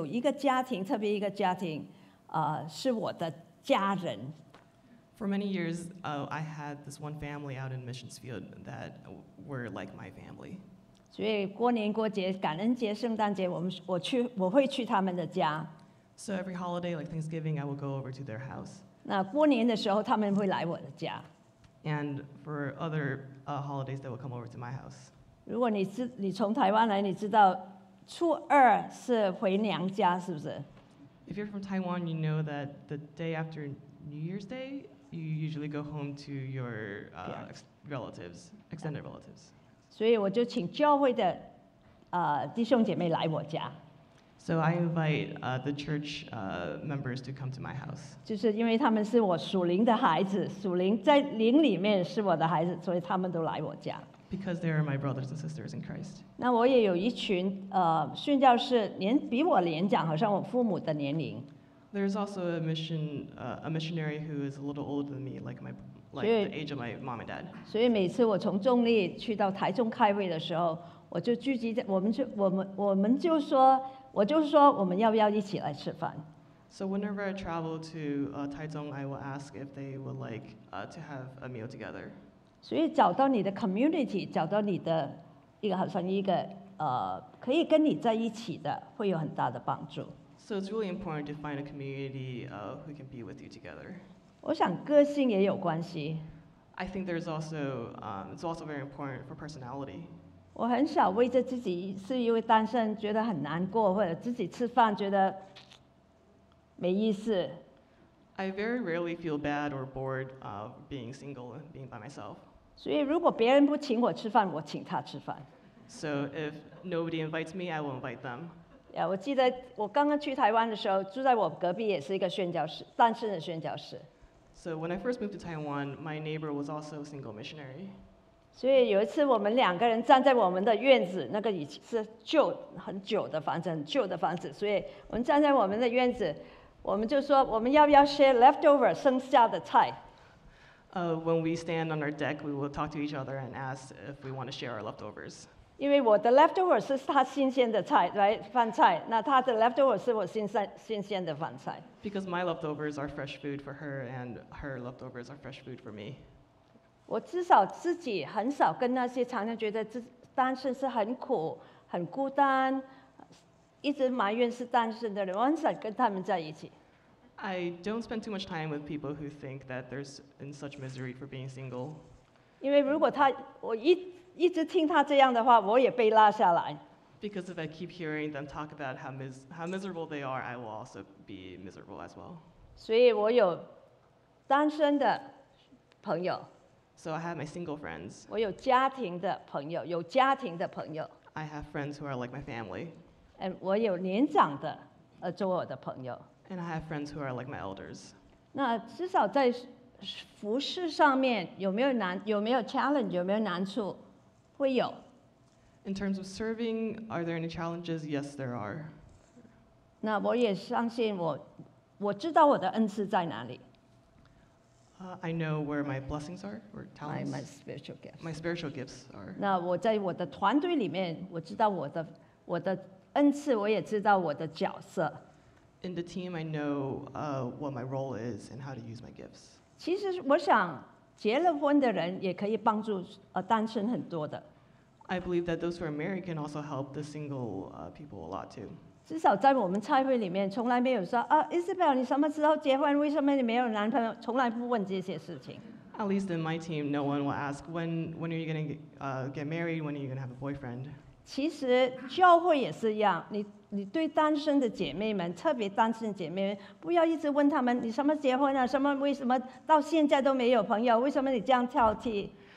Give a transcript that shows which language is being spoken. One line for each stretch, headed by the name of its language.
Chinese: 那我在台湾很多年，我都有一个家庭，特别一个家庭， 是我的家人。
English: For many years, I had this one family out in missions field that were like my family.
Chinese: 所以过年过节，感恩节、圣诞节，我会去他们的家。
English: So every holiday, like Thanksgiving, I will go over to their house.
Chinese: 那过年的时候，他们会来我的家。
English: And for other holidays, they will come over to my house.
Chinese: 如果你从台湾来，你知道初二是回娘家，是不是？
English: If you're from Taiwan, you know that the day after New Year's Day, you usually go home to your relatives, extended relatives.
Chinese: 所以我就请教会的弟兄姐妹来我家。
English: So I invite the church members to come to my house.
Chinese: 就是因为他们是我属灵的孩子，属灵在灵里面是我的孩子，所以他们都来我家。
English: because they are my brothers and sisters in Christ.
Chinese: 那我也有一群宣教士，年比我年长，好像我父母的年龄。
English: There is also a missionary who is a little older than me, like the age of my mom and dad.
Chinese: 所以每次我从中立去到台中开会的时候，我就聚集在我们就说，我就说我们要不要一起来吃饭。
English: So whenever I travel to Taizong, I will ask if they would like to have a meal together.
Chinese: 所以找到你的 community， 找到你的一个好像一个可以跟你在一起的，会有很大的帮助。
English: So it's really important to find a community who can be with you together.
Chinese: 我想个性也有关系。
English: I think there's also it's also very important for personality.
Chinese: 我很少为着自己是因为单身觉得很难过，或者自己吃饭觉得。没意思。
English: I very rarely feel bad or bored of being single and being by myself.
Chinese: 所以如果别人不请我吃饭，我请他吃饭。
English: So if nobody invites me, I will invite them.
Chinese: Yeah, 我记得我刚刚去台湾的时候，住在我隔壁也是一个宣教士，单身的宣教士。
English: So when I first moved to Taiwan, my neighbor was also a single missionary.
Chinese: 所以有一次我们两个人站在我们的院子，那个已经是旧很久的房子，很旧的房子，所以我们站在我们的院子。我们就说我们要不要
English: share leftover
Chinese: 剩下的菜。
English: When we stand on our deck, we will talk to each other and ask if we want to share our leftovers.
Chinese: 因为我的 leftover 是他新鲜的菜 ，right 饭菜。那他的 leftover 是我新鲜的饭菜。
English: Because my leftovers are fresh food for her, and her leftovers are fresh food for me.
Chinese: 我至少自己很少跟那些常常觉得单身是很苦、很孤单。一直埋怨是单身的人，我很少跟他们在一起。
English: I don't spend too much time with people who think that they're in such misery for being single.
Chinese: 因为如果他，我一直听他这样的话，我也被拉下来。
English: Because if I keep hearing them talk about how miserable they are, I will also be miserable as well.
Chinese: 所以我有单身的朋友。
English: So I have my single friends.
Chinese: 我有家庭的朋友，有家庭的朋友。
English: I have friends who are like my family. And
Chinese: 我有年长的做我的朋友。
English: And I have friends who are like my elders.
Chinese: 那至少在服事上面有没有难，有没有 challenge， 有没有难处，会有。
English: In terms of serving, are there any challenges? Yes, there are.
Chinese: 那我也相信我知道我的恩赐在哪里。
English: I know where my blessings are, or talents. My spiritual gifts. My spiritual gifts are.
Chinese: 那我在我的团队里面，我知道我的恩赐，我也知道我的角色。
English: In the team, I know what my role is and how to use my gifts.
Chinese: 其实我想，结了婚的人也可以帮助单身很多的。
English: I believe that those who are married can also help the single people a lot too.
Chinese: 至少在我们差会里面，从来没有说啊 ，Isabel， 你什么时候结婚？为什么你没有男朋友？从来不问这些事情。
English: At least in my team, no one will ask when are you going to get married? When are you going to have a boyfriend?
Chinese: 其实教会也是一样，你对单身的姐妹们，特别单身的姐妹们，不要一直问他们你什么结婚啊，什么为什么到现在都没有朋友，为什么你这样挑剔